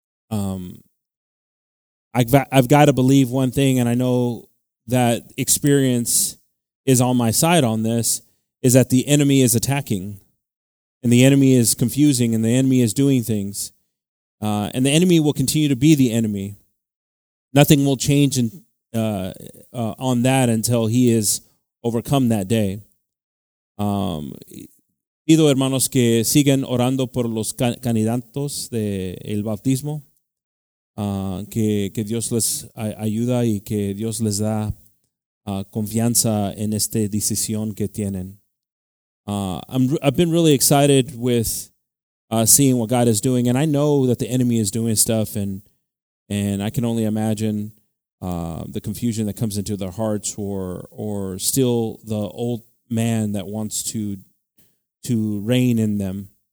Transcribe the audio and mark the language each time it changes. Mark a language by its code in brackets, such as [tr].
[en] I've got to believe one thing, and I know that experience is on my side on this, is that the enemy is attacking, and the enemy is confusing, and the enemy is doing things. And the enemy will continue to be the enemy. Nothing will change on that until he is overcome that day. [es] Pido, hermanos, que sigan orando por los candidatos de el bautismo. Que Dios les ayuda y que Dios les da confianza en esta decisión que tienen. [en] I've been really excited with seeing what God is doing, and I know that the enemy is doing stuff, and I can only imagine the confusion that comes into their hearts, or still the old man that wants to reign in them.